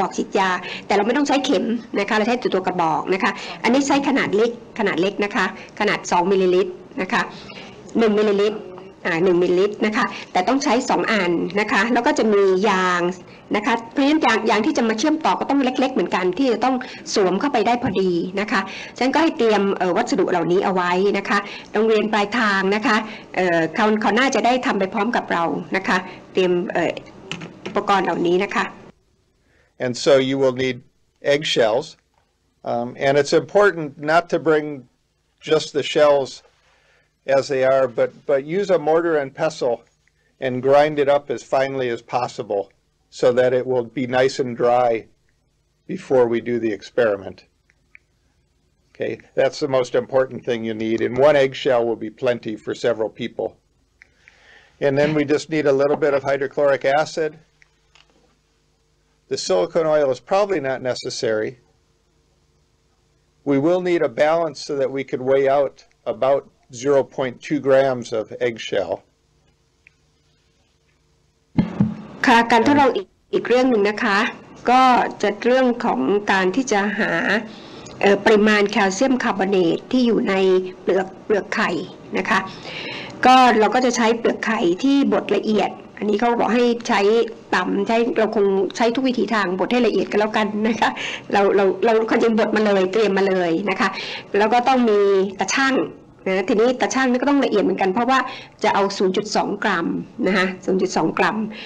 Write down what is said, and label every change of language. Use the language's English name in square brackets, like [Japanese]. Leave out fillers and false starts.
[Thai] ดยาแต่เราไม่ต้องใช้เข็มนะคะเราใช้ตัวกระบอกนะคะอันนี้ใช้ขนาดเล็กนะคะขนาด2มิลลิลิตรนะคะ1มิลลิลิตร1มิลลิลิตรนะคะแต่ต้องใช้2อันนะคะแล้วก็จะมียางนะคะเพราะฉะนั้นยางที่จะมาเชื่อมต่อก็ต้องเล็กๆเหมือนกันที่จะต้องสวมเข้าไปได้พอดีนะคะฉะนั้นก็ให้เตรียมวัสดุเหล่านี้เอาไว้นะคะโรงเรียนปลายทางนะคะเขาน่าจะได้ทำไปพร้อมกับเรานะคะเตรียมอุปกรณ์เหล่านี้นะคะ [English] And so you will need eggshells and it's important not to bring just the shells as they are but use a mortar and pestle and grind it up as finely as possibleso that it will be nice and dry before we do the experiment. Okay, that's the most important thing you need, and one eggshell will be plenty for several people. And then we just need a little bit of hydrochloric acid. The silicone oil is probably not necessary. We will need a balance so that we can weigh out about 0.2 grams of eggshell. [Thai] การทดลองอีกเรื่องหนึ่งนะคะก็จะเรื่องของการที่จะหาปริมาณแคลเซียมคาร์บอเนตที่อยู่ในเปลือกไข่นะคะก็เราก็จะใช้เปลือกไข่ที่บดละเอียดอันนี้เขาบอกให้ใช้ต่ำใช้เราคงใช้ทุกวิธีทางบดให้ละเอียดก็แล้วกันนะคะเราจะบดมาเลยเตรียมมาเลยนะคะแล้วก็ต้องมีตะช่างนะทีนี้ตะช่างนี่ก็ต้องละเอียดเหมือนกันเพราะว่าจะเอา 0.2 กรัมนะฮะ 0.2 กรัม